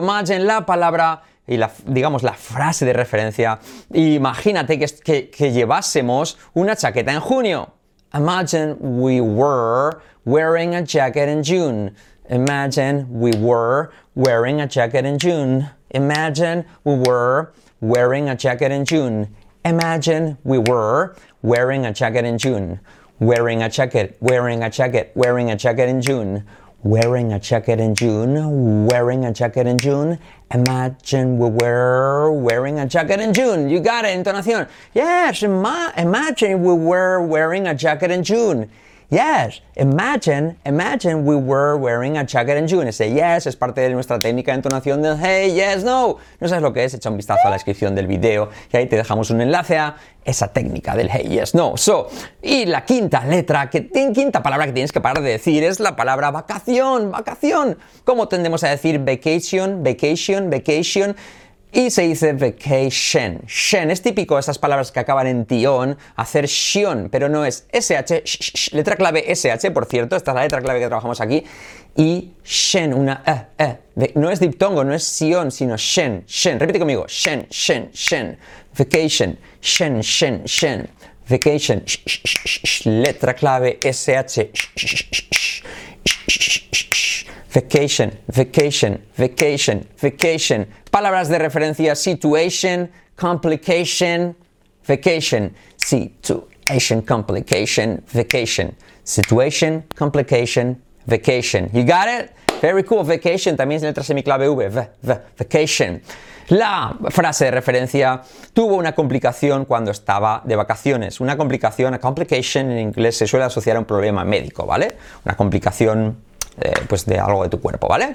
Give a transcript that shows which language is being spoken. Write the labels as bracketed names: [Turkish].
[Spanish] Imagine la palabra y la, digamos, la frase de referencia. Imagínate que llevásemos una chaqueta en junio. [English] Imagine we were wearing a jacket in June. Imagine we were wearing a jacket in June. Imagine we were wearing a jacket in June. Imagine we were wearing a jacket in June. Wearing a jacket, wearing a jacket, wearing a jacket in June. Wearing a jacket in June, wearing a jacket in June. Imagine we were wearing a jacket in June. You got it, entonación. Yes, imagine we were wearing a jacket in June. Yes, imagine we were wearing a jacket in June. [Spanish] Ese yes es parte de nuestra técnica de entonación del hey, yes, no. No sabes lo que es, echa un vistazo a la descripción del video y ahí te dejamos un enlace a esa técnica del hey, yes, no. So, y la quinta letra, quinta palabra que tienes que parar de decir es la palabra vacación, vacación. ¿Cómo tendemos a decir vacation, vacation, vacation? Y se dice vacation. Shen. Es típico esas palabras que acaban en tion, hacer shion, pero no es sh, sh, sh, letra clave sh, por cierto, esta es la letra clave que trabajamos aquí. Y shen, una e, e. No es diptongo, no es sion, sino shen, shen. Repite conmigo. [English] Shen, shen, shen. Vacation. Shen, shen, shen. Vacation. [Spanish] Sh, sh, sh, sh. Letra clave sh. [English] Vacation, vacation, vacation, vacation. [Spanish] Palabras de referencia, situation, complication, vacation. [English] Situation, complication, vacation. Situation, complication, vacation. You got it? Very cool. [Spanish] Vacation, también es letra semiclave V, v, v, vacation. La frase de referencia, tuvo una complicación cuando estaba de vacaciones. Una complicación, a complication en inglés se suele asociar a un problema médico, ¿vale? Una complicación pues de algo de tu cuerpo, ¿vale?